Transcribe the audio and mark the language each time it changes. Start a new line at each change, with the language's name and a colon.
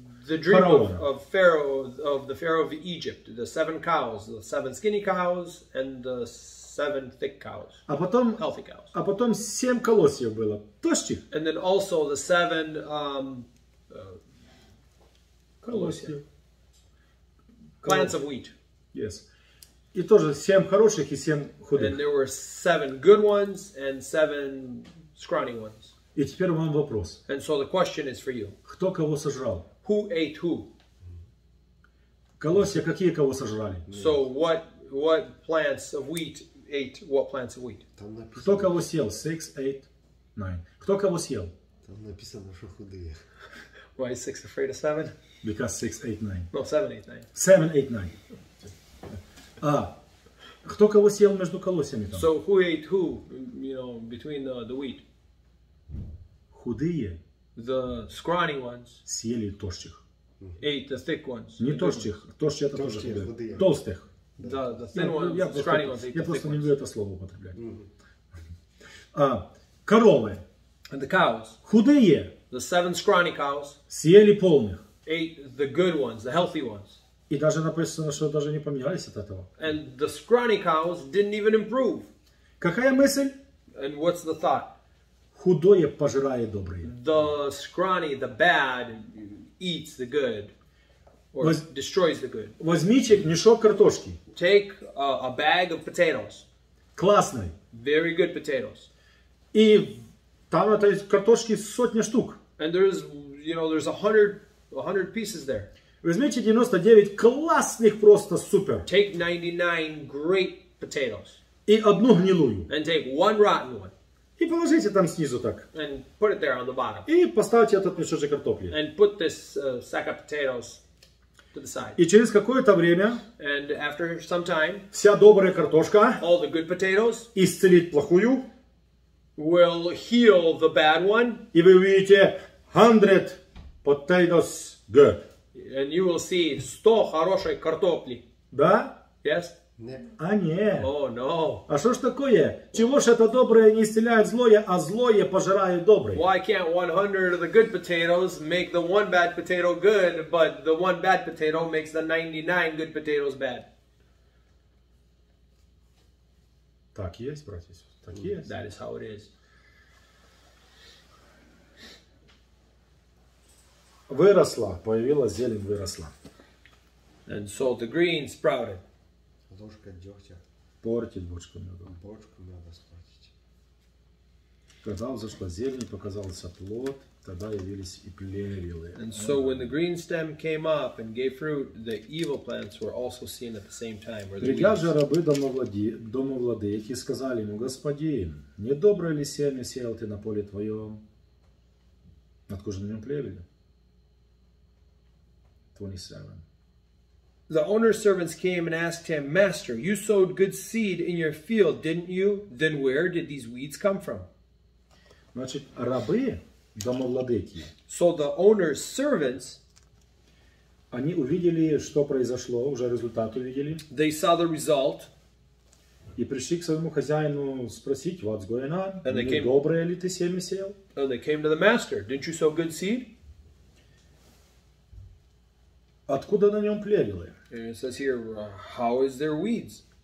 English: the dream of Pharaoh, of the Pharaoh of Egypt, the seven cows, the seven skinny cows and the seven thick cows.
Russian: А потом,
English: healthy cows.
Russian: А потом семь колосьев было тощих.
English: And then also the seven
Russian: колосьев.
English: Plants of wheat. Yes.
Russian: И тоже семь хороших и семь худых.
English: And there were seven good ones and seven scrawny ones.
Russian: И теперь вам вопрос.
English: And so the question is for you.
Russian: Кто кого сожрал?
English: Who ate who?
Russian: Колосья какие кого сожрали?
English: So what plants of wheat ate what plants of wheat?
Russian: Кто кого съел? 6, 8, 9. Кто кого съел? Там написано, что худые.
English: Why is 6 afraid of 7? Because 6, 8, 9. No, 7, 8, 9. 7, 8, 9.
Russian: А, кто кого съел между колосьями там?
English: So who ate who, you know, between the wheat?
Russian: Худые.
English: The scrawny ones.
Russian: Съели тощих.
English: Ate the thick ones.
Russian: Не тощих, тощие это тоже худые. Толстых. Да, я просто не люблю это слово употреблять. А, коровы.
English: And the cows.
Russian: Худые.
English: The seven scrawny cows.
Russian: Съели полных.
English: Ate the good ones, the healthy ones.
Russian: И даже написано, что даже не поменялись от этого.
English: And the scrawny cows didn't even improve.
Russian: Какая мысль?
English: And what's the thought?
Russian: Худое пожирает добрые.
English: The scrawny, the bad, eats the good. Or destroys the good.
Russian: Возьмите мешок картошки.
English: Take a bag of potatoes.
Russian: Классный.
English: Very good potatoes.
Russian: И там это картошки сотня штук.
English: And there's, you know, there's 100 pieces there.
Russian: Возьмите 99 классных просто супер.
English: Take 99 great potatoes.
Russian: И одну гнилую.
English: And take one rotten one.
Russian: И положите там снизу так.
English: And put it there on the bottom.
Russian: И поставьте этот мешочек картофеля.
English: And put this sack of potatoes to the side.
Russian: И через какое-то время.
English: And after some time.
Russian: Вся добрая картошка.
English: All the good potatoes.
Russian: Исцелит плохую.
English: Will heal the bad one.
Russian: И вы увидите 100
English: potatoes good. And you will see 100
Russian: хорошей картофели. Да?
English: Yes.
Russian: Нет. А нет.
English: О, oh, no.
Russian: А что ж такое? Чего ж это доброе не исцеляет злое, а злое пожирает доброе?
English: Why can't 100 of the good potatoes make the one bad potato good, but the one bad potato makes the 99 good potatoes bad?
Russian: Так есть, братец. Так есть.
English: That is how it is.
Russian: Выросла, появилась зелень, выросла.
English: And so the green sprouted.
Russian: Ложка дёгтя. Портить бочку мёда. Бочку мёда спортить. Когда взошла зелень, показался плод, тогда явились и плевелы.
English: And so when the green stem came up and gave fruit, the evil plants were also seen at the same time.
Russian: Прибегли же рабы домовладыки и сказали ему: «Господин, не доброе ли семя сеял ты на поле твоём? Откуда на нём плевели?» 27.
English: The owner's servants came and asked him, Master, you sowed good seed in your field, didn't you? Then where did these weeds come from?
Russian: Значит, рабы, домовладыки.
English: So the owner's servants,
Russian: они увидели, что произошло, уже результат увидели.
English: They saw the result.
Russian: И пришли к своему хозяину спросить,
English: what's going on?
Russian: Недоброе ли ты семя сеял?
English: And they came to the master, didn't you sow good seed?
Russian: Откуда на нем плевелы?
English: It says here, how is there weeds?